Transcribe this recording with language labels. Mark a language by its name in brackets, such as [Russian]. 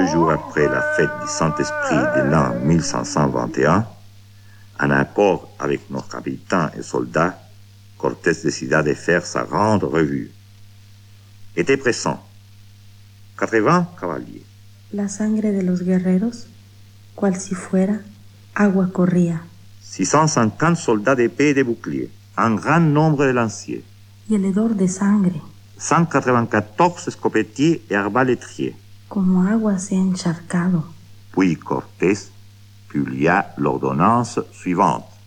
[French] Après la fête du Saint-Esprit de l'an 1521, en accord avec nos capitaines et soldats, Cortés décida de faire sa grande revue. Était présent 80 cavaliers. [Spanish] La sangre de los guerreros, cual si fuera, agua corría. [French] 650 soldats d'épée et de boucliers, un grand nombre de lanciers. [Spanish] Y el hedor de sangre. [French] 194 escopetiers et arbalétriers. [Spanish] Como agua se ha encharcado. [French] Puis Cortés publia l'ordonnance suivante.